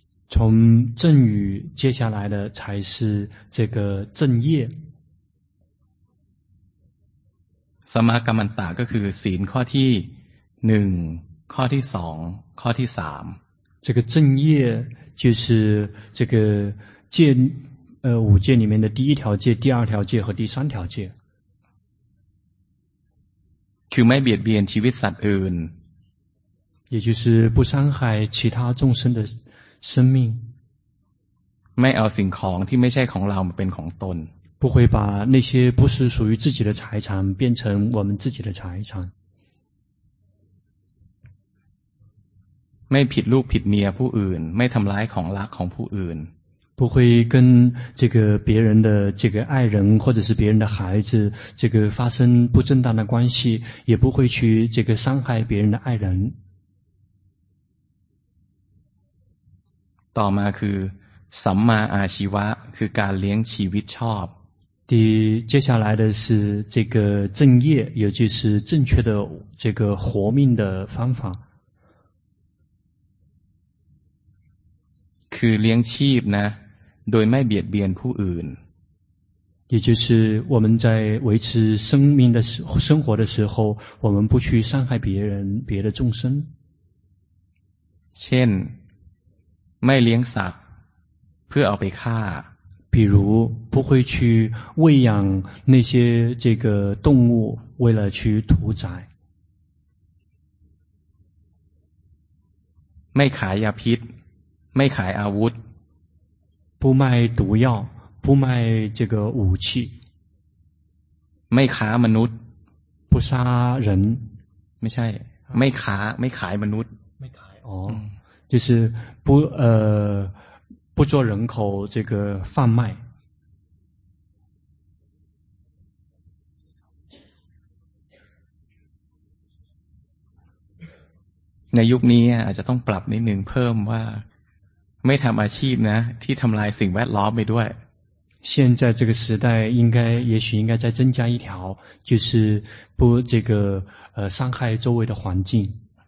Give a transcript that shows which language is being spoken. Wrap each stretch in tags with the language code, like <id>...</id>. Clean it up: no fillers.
<zh>从正语接下来的才是这个正业</zh> <th>สัมมากัมมันตะก็คือศีลข้อที่1ข้อที่2ข้อที่3</th> <zh>这个正业就是这个戒五戒里面的第一条戒第二条戒和第三条戒</zh> <th>คือไม่เบียดเบียนชีวิตสัตว์อื่น</th> <zh>也就是不伤害其他众生的生命</zh> <th>ไม่เอาสิ่งของที่ไม่ใช่ของเรามาเป็นของตน</th> <zh>不会把那些不是属于自己的财产变成我们自己的财产</zh> <th>ไม่ผิดลูกผิดเมียผู้อื่นไม่ทำร้ายของรักของผู้อื่น</th> <zh>不会跟这个别人的这个爱人或者是别人的孩子这个发生不正当的关系也不会去这个伤害别人的爱人</zh> <th>ต่อมาคือสัมมาอาชีวะคือการเลี้ยงชีวิตชอบ</th> <zh>第接下来的是这个正业，也就是正确的这个活命的方法。</zh> <th>คือเลี้ยงชีพนะ，โดยไม่เบียดเบียนผู้อื่น。</th> <zh>也就是我们在维持生命的生活的时候，我们不去伤害别人、别的众生。</zh> <th>เช่น，ไม่เลี้ยงสัตว์เพื่อเอาไปฆ่า。</th> <zh>比如不会去喂养那些这个动物为了去屠宰</zh> <th>ไม่ขายยาพิษไม่ขายอาวุธ</th> <zh>不卖毒药不卖这个武器</zh> <th>ไม่ค้ามนุษย์</th> <zh>不杀人</zh> <th>ไม่ใช่ไม่ค้าไม่ขายมนุษย์ไม่ขายอ๋อ</th> <zh>就是不做人口这个贩卖。</zh> <th>ในยุคนี้อาจจะต้องปรับนิดนึงเพิ่มว่าไม่ทำอาชีพนะที่ทำลายสิ่งแวดล้อมไปด้วย</th> <zh>现在这个时代应该也许应该再增加一条就是不这个伤害周围的环境</zh>